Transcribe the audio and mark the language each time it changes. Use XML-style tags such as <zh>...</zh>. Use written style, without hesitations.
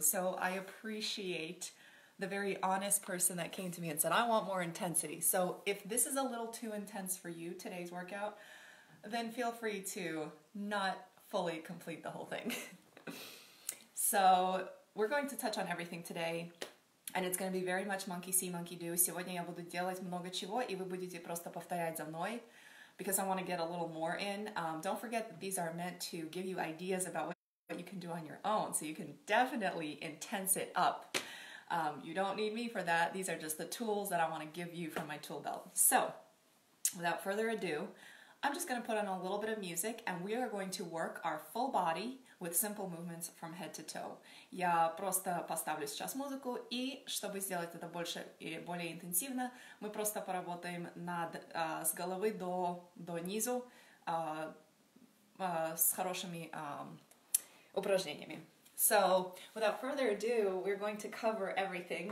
<en>So I appreciate the very honest person that came to me and said, I want more intensity. So if this is a little too intense for you, today's workout, then feel free to not fully complete the whole thing. So we're going to touch on everything today, and it's going to be very much monkey see, monkey do.</en> <ru>Сегодня я буду делать много чего, и вы будете просто повторять за мной.</ru> <en>Because I want to get a little more in. Don't forget that these are meant to give you ideas about what you can do on your own. So you can definitely intense it up. You don't need me for that. These are just the tools that I want to give you from my tool belt. So without further ado, I'm just going to put on a little bit of music and we are going to work our full body with simple movements from head to toe.</en> <ru>Я просто поставлю сейчас музыку, и чтобы сделать это больше и более интенсивно, мы просто поработаем над с головы до низу с хорошими упражнениями.</ru> <en>So, without further ado, we're going to cover everything.</en>